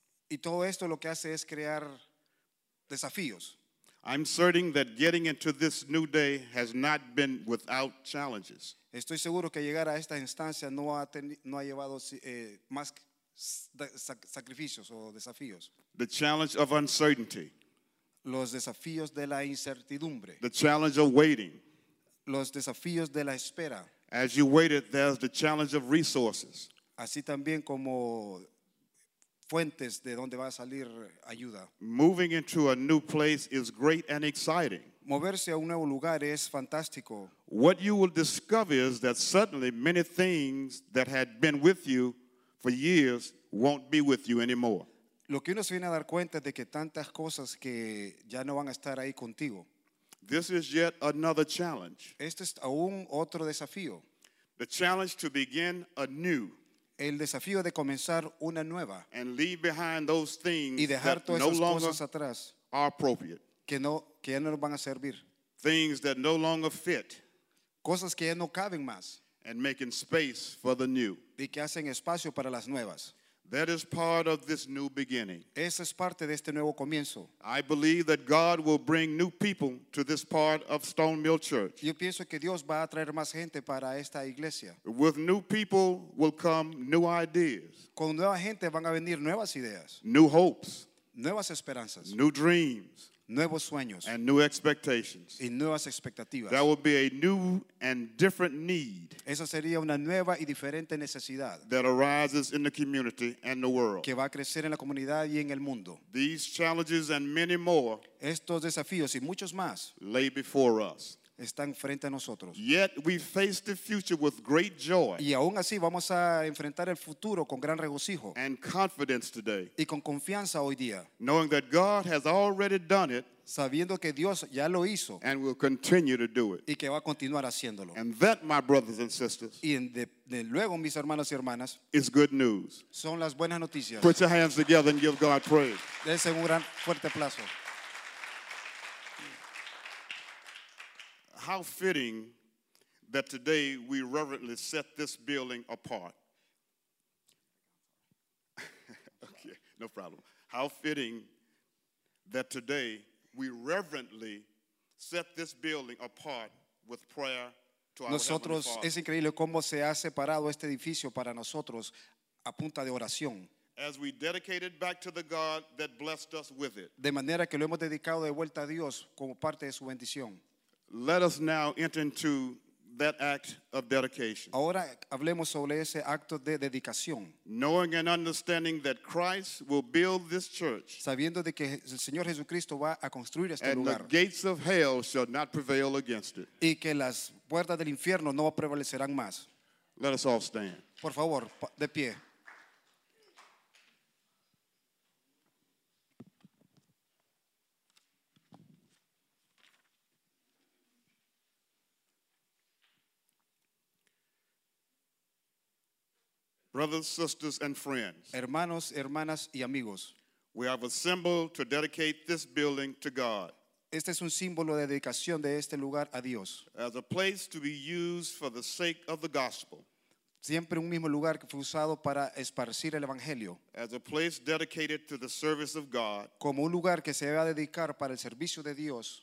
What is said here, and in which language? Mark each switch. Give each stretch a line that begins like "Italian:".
Spanish: Y todo esto lo que hace es crear desafíos.
English: I'm certain that getting into this new day has not been without challenges.
Spanish: Estoy seguro que llegar a esta instancia no ha llevado más sacrificios o desafíos.
English: The challenge of uncertainty.
Spanish: Los desafíos de la incertidumbre.
English: The challenge of waiting.
Spanish: Los desafíos de la espera.
English: As you waited, there's the challenge of resources.
Spanish: Así también como fuentes de donde va a salir ayuda.
English: Moving into a new place is great and exciting.
Spanish: Moverse a un nuevo lugar es fantástico.
English: What you will discover is that suddenly many things that had been with you for years won't be with you anymore.
Spanish: Lo que uno se viene a dar cuenta es de que tantas cosas que ya no van a estar ahí contigo.
English: This is yet another challenge.
Spanish: Este es aún otro desafío.
English: The challenge to begin anew.
Spanish: El desafío de comenzar una nueva.
English: And leave behind those things
Spanish: y dejar
English: that no longer
Spanish: atrás
English: are appropriate.
Spanish: Que ya no van a servir.
English: Things that no longer fit.
Spanish: Cosas que ya no caben más.
English: And making space for the new.
Spanish: Y que hacen espacio para las nuevas.
English: That is part of this new beginning.
Spanish: Esa es parte de este nuevo comienzo.
English: I believe that God will bring new people to this part of Stone Mill Church.
Spanish: Yo pienso que Dios va a traer más gente para esta iglesia.
English: With new people will come new ideas.
Spanish: Con nueva gente van a venir nuevas ideas.
English: New hopes.
Spanish: Nuevas esperanzas.
English: New dreams.
Spanish: Nuevos sueños.
English: And new expectations.
Spanish: Y nuevas expectativas.
English: That will be a new and different need.
Spanish: Esa sería una nueva y diferente necesidad.
English: That arises in the community and the world.
Spanish: Que va a crecer en la comunidad y en el mundo.
English: These challenges and many more.
Spanish: Estos desafíos y muchos más.
English: Lay before us.
Spanish: están frente a nosotros.
English: Yet we face the future with great joy.
Spanish: Y aún así vamos a enfrentar el futuro con gran regocijo.
English: And confidence today.
Spanish: Y con confianza hoy día.
English: Knowing that God has already done it.
Spanish: Sabiendo que Dios ya lo hizo.
English: And will continue to do it.
Spanish: Y que va a continuar haciéndolo.
English: And that, my brothers and sisters.
Spanish: Y de luego, mis hermanos y hermanas.
English: Is good news.
Spanish: Son las buenas noticias.
English: Put your hands together and give God praise.
Spanish: Dense un gran fuerte aplauso.
English: How fitting that today we reverently set this building apart. Okay, no problem. How fitting that today we reverently set this building apart with prayer to our
Spanish: nosotros,
English: Heavenly Father.
Spanish: Es increíble cómo se ha separado este edificio para nosotros a punta de oración.
English: As we dedicated back to the God that blessed us with it.
Spanish: De manera que lo hemos dedicado de vuelta a Dios como parte de su bendición.
English: Let us now enter into that act of dedication.
Spanish: Ahora hablemos sobre ese acto de dedicación.
English: Knowing and understanding that Christ will build this church.
Spanish: Sabiendo de que el Señor Jesucristo va a construir este lugar.
English: And the gates of hell shall not prevail against it.
Spanish: Y que las puertas del infierno no prevalecerán más.
English: Let us all stand.
Spanish: Por favor, de pie.
English: Brothers, sisters, and friends.
Spanish: Hermanos, hermanas, y amigos.
English: We have assembled to dedicate this building to God.
Spanish: Este es un símbolo de dedicación de este lugar a Dios.
English: As a place to be used for the sake of the gospel.
Spanish: Siempre un mismo lugar que fue usado para esparcir el evangelio.
English: As a place dedicated to the service of God.
Spanish: Como un lugar que se va a dedicar para el servicio de Dios.